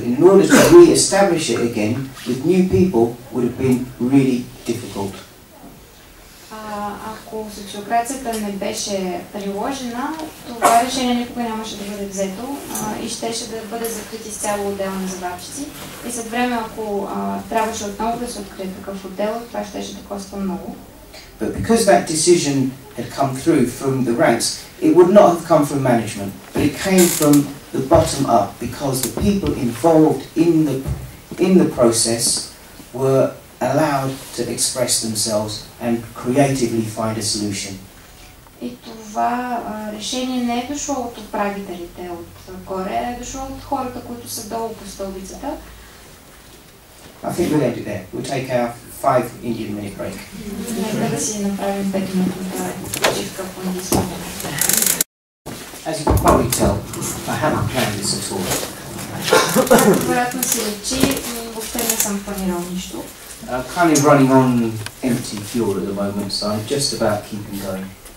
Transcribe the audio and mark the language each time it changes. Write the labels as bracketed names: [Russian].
[English] And in order to re-establish it again with new people would have been really difficult. [Bulgarian] Ако социокрацията не беше приложена, това решение никога нямаше да бъде взето и щеше да бъде закрит изцяло отдел на заварчици. И след време, ако трябваше отново да се открие такъв отдел, това щеше да коства много. [English] But because that decision had come through from the ranks, it would not have come from management, but it came from the bottom up, because the people involved in the process were allowed to express themselves and creatively find a solution. [Bulgarian] И това решение не е дошло от управителите отгоре, а е дошло от хората, които са долу по стълбицата. [English] I think we'll end it there. We'll take our 5 Indian minute break. [Bulgarian] Нека да си направим 5 минути почивка по индийски. [English] As you can probably tell, I haven't planned this at all. [Bulgarian] Вероятно си речи, въобще не съм планирал нищо. [English] I'm kind of running on empty fuel at the moment, so I'm just about keeping going.